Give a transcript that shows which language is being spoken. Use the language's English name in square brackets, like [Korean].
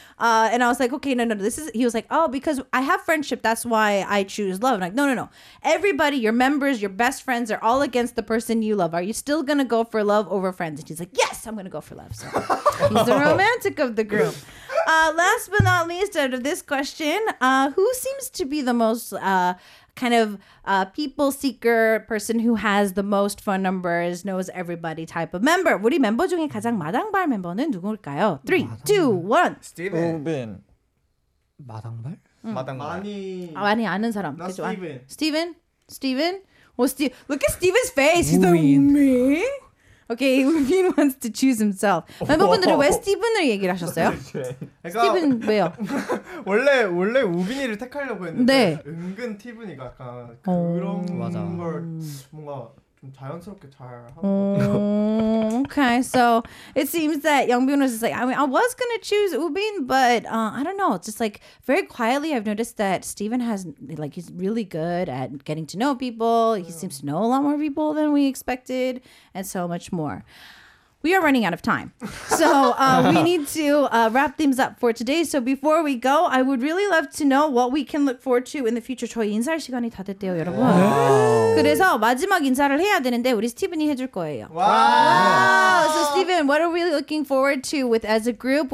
[English] And I was like, okay, no, this is, he was like, oh, because I have friendship, that's why I choose love. And I'm like, no, everybody, your members, your best friends are all against the person you love. Are you still gonna go for love over friends? And he's like, yes, I'm gonna go for love. So he's the romantic of the group. Last but not least, out of this question, who seems to be the most kind of people seeker person who has the most phone numbers, knows everybody type of member? [Korean] 우리 멤버 중에 가장 마당발 멤버는 누구일까요? 3, 2, 1. Steven. Steven. 마당발? 마당발. 많이 아는 사람. 나 Steven. [English] Steven? Steven? Well, look at Steven's face. He's like, me? Okay, Ubin wants to choose himself. [Korean] 멤버분들은 왜 스티븐을 얘기를 하셨어요? 스티븐 왜요? 원래 우빈이를 택하려고 했는데 네. 은근 티븐이가 약간 그런 맞아. 걸 뭔가 좀 자연스럽게 잘 하는 것 같아요. [English] Okay, so it seems that Youngbin was just like, I mean, I was gonna choose Ubin, but I don't know. It's just like very quietly, I've noticed that Steven has, like, he's really good at getting to know people. Yeah. He seems to know a lot more people than we expected and so much more. We are running out of time, so we need to wrap things up for today. So before we go, I would really love to know what we can look forward to in the future. [Korean] 저희 인사할 시간이 다 됐대요, 여러분. [English] Wow. [Korean] 그래서 마지막 인사를 해야 되는데 우리 스티븐이 해줄 거예요. [English] Wow. So Steven, what are we looking forward to with as a group?